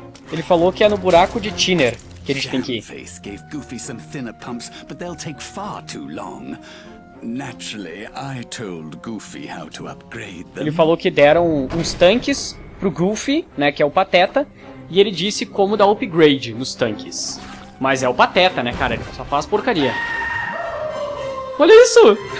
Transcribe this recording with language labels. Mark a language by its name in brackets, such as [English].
[Portuguese] Ele falou que é no buraco de Tinner que a gente tem que ir. [English] Jamface gave Goofy some thinner pumps, but they'll take far too long. Naturally, I told Goofy how to upgrade them. [Portuguese] Ele falou que deram uns tanques pro Goofy, né, que é o Pateta, e ele disse como dar upgrade nos tanques. Mas é o Pateta, né, cara, ele só faz porcaria. Olha isso!